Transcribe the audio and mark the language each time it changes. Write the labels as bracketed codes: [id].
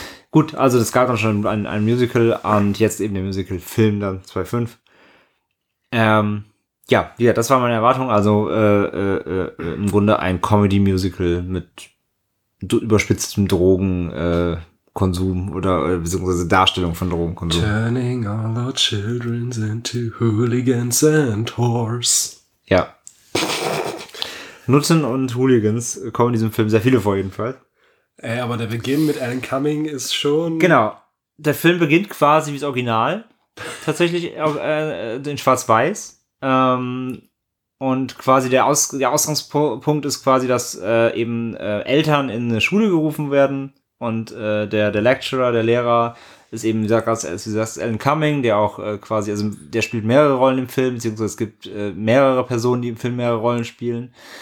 [de] Gut, also es gab dann schon ein Musical und jetzt eben der Musical-Film dann 2005. Ja, das war meine Erwartung, also im Grunde ein Comedy-Musical mit überspitztem Drogen- Konsum oder beziehungsweise Darstellung von Drogenkonsum. [en] Turning all our children into hooligans and whores. [de] Ja. Nutzen und Hooligans kommen in diesem Film sehr viele vor, jedenfalls. Ey, aber der Beginn mit Alan Cumming ist schon... Genau. Der Film beginnt quasi wie das Original. Tatsächlich in schwarz-weiß. Und quasi der Ausgangspunkt ist quasi, dass eben Eltern in eine Schule gerufen werden und der Lecturer, der Lehrer ist eben, wie du sagst, Alan Cumming, der auch quasi, also der spielt mehrere Rollen im Film, beziehungsweise es gibt mehrere Personen, die im Film mehrere Rollen spielen.